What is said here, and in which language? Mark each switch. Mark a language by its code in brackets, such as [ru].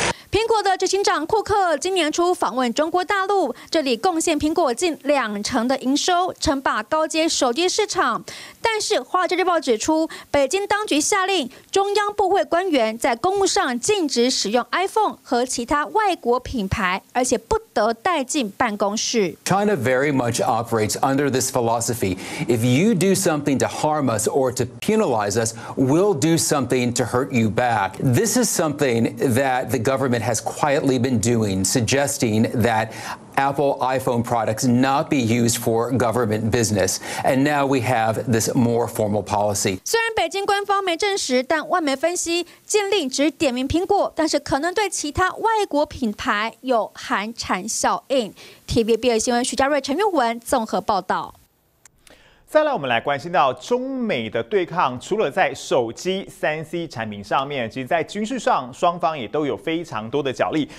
[zh] 苹果的执行长库克今年初访问中国大陆，这里贡献苹果近20%的营收，称霸高阶手机市场。但是《华尔街日报》指出，北京当局下令中央部会官员在公务上禁止使用 iPhone 和其他外国品牌，而且不得带进办公室。 [en] China very much operates under this philosophy. If you do something to harm us or to penalize us, we'll do something to hurt you back. This is something that the governmenthas quietly been doing, suggesting that Apple iPhone products not be used for government business. And now we have this more formal policy. [zh] 虽然北京官方没证实，但外媒分析禁令只点名苹果，但是可能对其他外国品牌有寒蝉效应。 TVBS 新闻徐嘉瑞、陈玉文综合报道。再来，我们来关心到中美的对抗，除了在手机3C 产品上面，其实在军事上双方也都有非常多的角力。